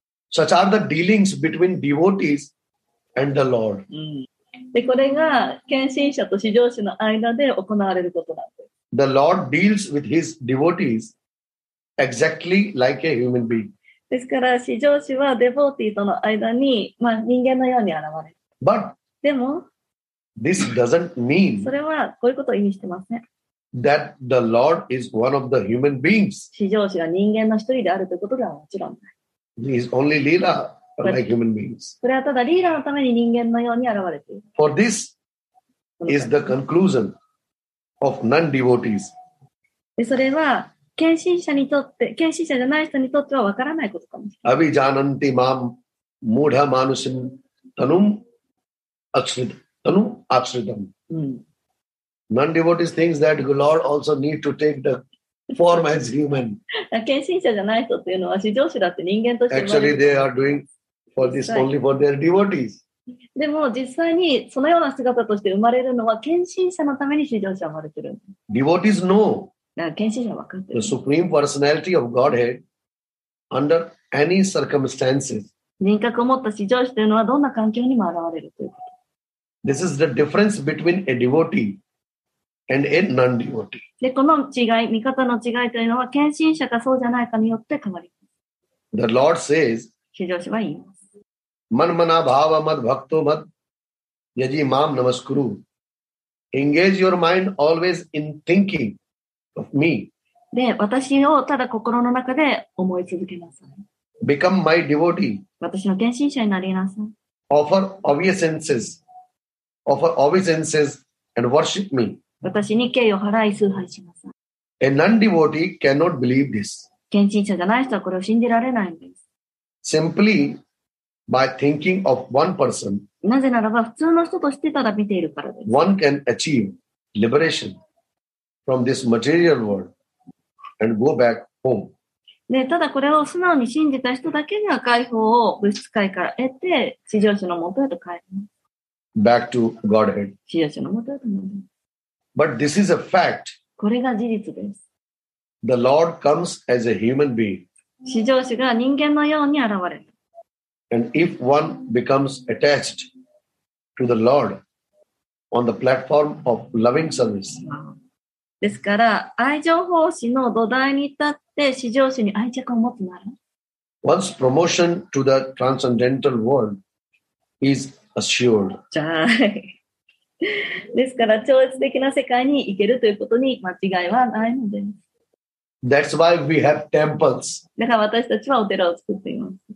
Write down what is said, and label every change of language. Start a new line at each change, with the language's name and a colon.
English: Such are the dealings between devotees and the Lord.、
Japanese: うん、でこれが献身者と至上主の間で行われることだ。
English: The Lord deals with his devotees exactly like a human being.
Japanese: ですから至上主はデボーティーとの間に、まあ、人間のように現れる。
English: But
Japanese: でも、
English: this doesn't mean
Japanese: それはこういうことを意味してますね。
English: That the Lord is one of the human beings.
Japanese: 至上主は人間の一人であるということではもちろんない。
English: He is only leader like human beings.
Japanese: これはただリーダーのために人間のように現れている。
English: For this is the conclusion of non-devotees.
Japanese: でそれは献身者にとって、献身者じゃない人にとってはわからないことかもしれない。
Sanskrit: アビジャナンティマムムーダマヌシンタヌアクシリタヌアクシリタム。
English: Non-devotees thinks that the Lord also needs to take the form as human.
Japanese: 献身者じゃない人というのは至上主だって人間として。
English: Actually, they are doing for this only for their devotees.
Japanese: でも実際にそのような姿として生まれるのは献身者のために至上主は生まれてる。
English: Devotees know.
Japanese: 献身者は分かってる。
English: The supreme personality of Godhead under any circumstances.
Japanese: 人格を持った至上主というのはどんな環境にも現れるということ。
English: This is the difference between a devotee and a non-devotee.
Japanese: で、この違い、見方の違いというのは献身者かそうじゃないかによって変わります。
English: The Lord says,
Japanese: 至上主は言います。
Sanskrit: Manmana bhava mad bhakto mad yaji mam namaskuru.
English: Engage your mind always in thinking. Me.
Japanese: で私をただ心の中で思い続けなさい。
English: Become my devotee.
Japanese: 私の献身者になりなさい。
English: Offer obeisances. Offer obeisances and worship me.
Japanese: 私に敬意を払い崇拝しなさい。
English: A non-devotee cannot believe this.
Japanese: 献身者じゃない人はこれを信じられないんです。
English: Simply by thinking of one person.
Japanese: なぜならば普通の人としてただ見ているからです。
English: One can achieve liberation. From this material world and go back home.
Japanese: ね、ただこれを素直に信じた人だけには解放を物質界から得て至上主のもとへと帰る。
English: Back to Godhead.
Japanese: 至上主のもとへと戻る。
English: But this is a fact.
Japanese: これが事実です。
English: The Lord comes as a human being.
Japanese: 至上主が人間のように現れる。
English: And if one becomes attached to the Lord on the platform of loving service.
Japanese: ですから愛情奉仕の土台に立って至上主に愛着を持つなら
English: Once promotion to the transcendental world is assured.
Japanese: じゃあ、ですから超越的な世界に行けるということに間違いはないのです。
English: That's why we have temples.
Japanese: だから私たちはお寺を作っています。